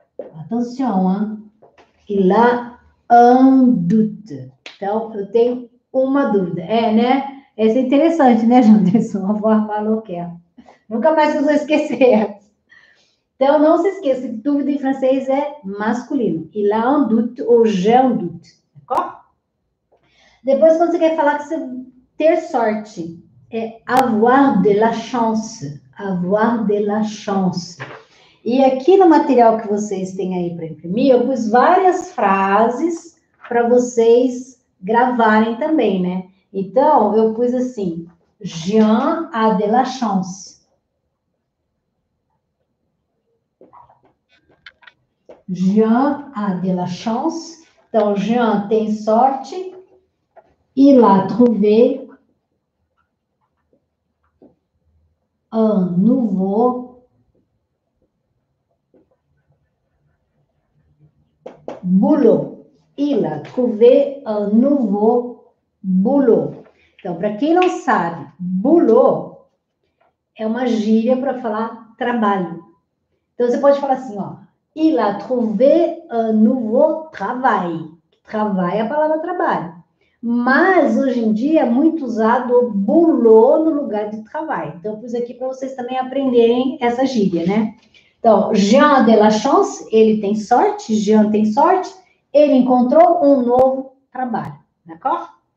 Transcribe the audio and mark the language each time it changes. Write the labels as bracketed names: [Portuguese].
[French] Attention, hein? Il a un doute. [Portuguese] Então eu tenho uma dúvida. É, né? Essa é interessante, né, Janderson? Avoir falou que é. Nunca mais vocês vão esquecer. Então, não se esqueça, dúvida em francês é masculino. [French] Il a un doute ou j'ai un doute. [Portuguese] Depois, quando você quer falar que você ter sorte, é avoir de la chance. Avoir de la chance. E aqui no material que vocês têm aí para imprimir, eu pus várias frases para vocês gravarem também, né? Então, eu pus assim: Jean a de la chance. [French] Jean a de la chance. Então, Jean tem sorte. Il a trouvé un nouveau boulot. Il a trouvé un nouveau boulot. [Portuguese] Então, para quem não sabe, boulot é uma gíria para falar trabalho. Então, você pode falar assim, ó. [French] Il a trouvé un nouveau travail. [Portuguese] Travail é a palavra trabalho. Mas hoje em dia é muito usado o boulot no lugar de travail. Então, eu pus aqui para vocês também aprenderem essa gíria, né? Então, Jean a de la chance, ele tem sorte, Jean tem sorte, ele encontrou um novo trabalho, d'accord?